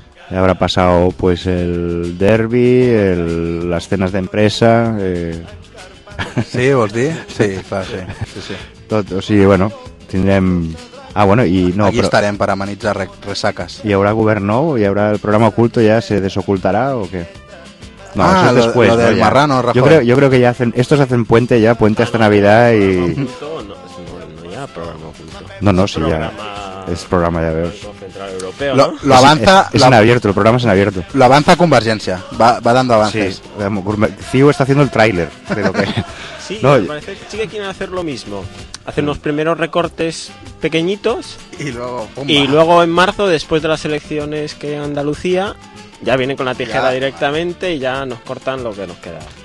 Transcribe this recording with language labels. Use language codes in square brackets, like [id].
[ca] Ja haurà passat pues, el derbi, les escenes d'empresa... Sí, vols dir? Sí, clar, sí. Tot, o sigui, bueno, tindrem... Ah, bueno, i no, aquí però... estarem per amenitzar ressaques. Hi haurà govern nou? Hi haurà el [es] programa oculto? [ca] Ja se desocultarà o què? No, ah, això és després, lo del ja. Marrano, Rajoy. [es] Jo creo que ya hacen, estos hacen puente ya, puente hasta Navidad y... [ca] No hi ha programa oculto. [es] No, no, sí, ya. Es programa, [ca] ya veus. [es] Lo avanza... Es en abierto, el programa es en abierto. Lo avanza Convergència, va dando avances. Sí, Ciu está haciendo el tráiler de lo que... Sí, no, me parece que sí que quieren hacer lo mismo. Hacen los primeros recortes pequeñitos y luego en marzo, después de las elecciones que en Andalucía, ya vienen con la tijera ya. Directamente y ya nos cortan lo que nos queda.